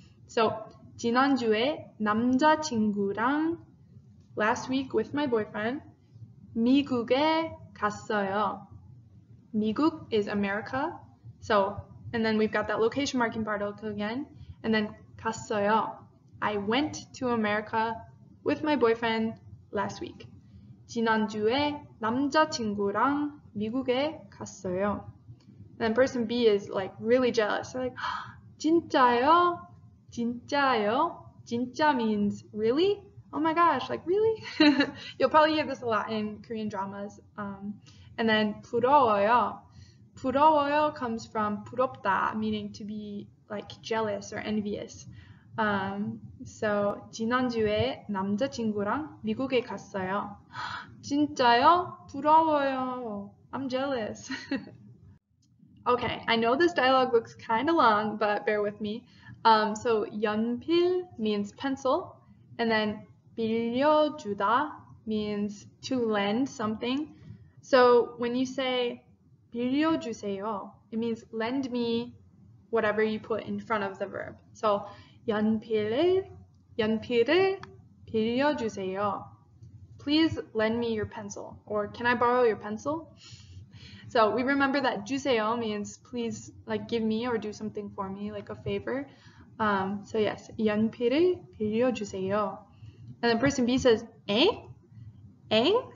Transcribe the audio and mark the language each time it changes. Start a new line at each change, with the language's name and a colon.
English: So,
Korean: 지난주에 남자친구랑,
English: last week with my boyfriend,
Korean: 미국에 갔어요.
English: 미국 is America. So, and then we've got that location marking particle again. And then 갔어요. I went to America with my boyfriend last week.
Korean: 지난주에 남자친구랑 미국에 갔어요.
English: And then person B is like really jealous. They're like, 진짜요? 진짜요? 진짜 means really? Oh my gosh, like really? You'll probably hear this a lot in Korean dramas. And then 부러워요. 부러워요 comes from 부럽다, meaning to be like jealous or envious.
Korean: So 지난주에 남자친구랑 미국에 갔어요. 진짜요? 부러워요.
English: I'm jealous. Okay, I know this dialogue looks kind of long, but bear with me. So 연필 means pencil, and then 빌려주다 means to lend something. So when you say 빌려주세요, it means lend me whatever you put in front of the verb.
Korean: So 연필을 빌려주세요.
English: Please lend me your pencil, or can I borrow your pencil? So we remember that 주세요 means please, like give me or do something for me, like a favor. So yes,
Korean: 연필을 빌려주세요.
English: And then person B says, 에잉? 에잉?